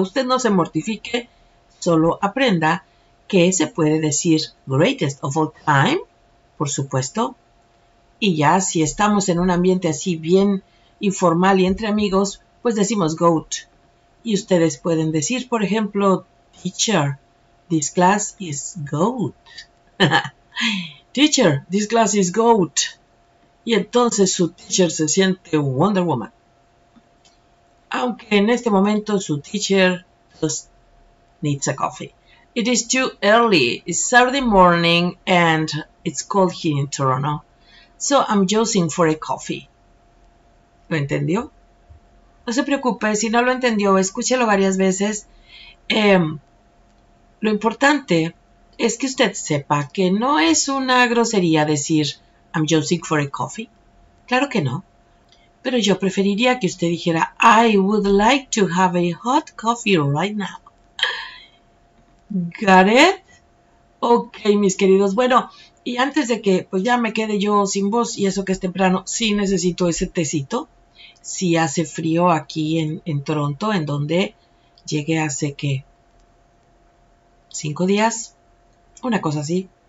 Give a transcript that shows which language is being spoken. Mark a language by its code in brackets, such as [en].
[es] Usted no se mortifique, solo aprenda que se puede decir [en] greatest of all time, [es] por supuesto. Y ya, si estamos en un ambiente así bien informal y entre amigos, pues decimos GOAT. Y ustedes pueden decir, por ejemplo, [en] teacher, this class is GOAT. Teacher, this class is GOAT. [es] Y entonces su teacher se siente Wonder Woman. Aunque en este momento su [en] teacher just needs a coffee. It is too early. It's Saturday morning and it's cold here in Toronto. So I'm just for a coffee. [es] ¿Lo entendió? No se preocupe, si no lo entendió, escúchelo varias veces. Lo importante es que usted sepa que no es una grosería decir [en] I'm just sick for a coffee. [es] Claro que no. Pero yo preferiría que usted dijera, [en] I would like to have a hot coffee right now. ¿Got it? Ok, [es] mis queridos. Bueno, y antes de que pues ya me quede yo sin voz y eso que es temprano, sí necesito ese tecito. Sí hace frío aquí en Toronto, en donde llegué hace que 5 días. Una cosa así.